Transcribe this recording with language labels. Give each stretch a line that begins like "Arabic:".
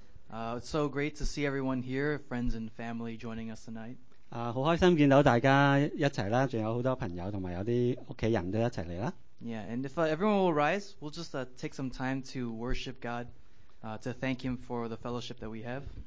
English: It's so great to see everyone here, friends and family joining us tonight.
Cantonese: 好開心見到大家一齊啦，仲有好多朋友同埋有啲屋企人都一齊嚟啦。
English: Yeah, and if everyone will rise, we'll just take some time to worship God, to thank Him for the fellowship that we have.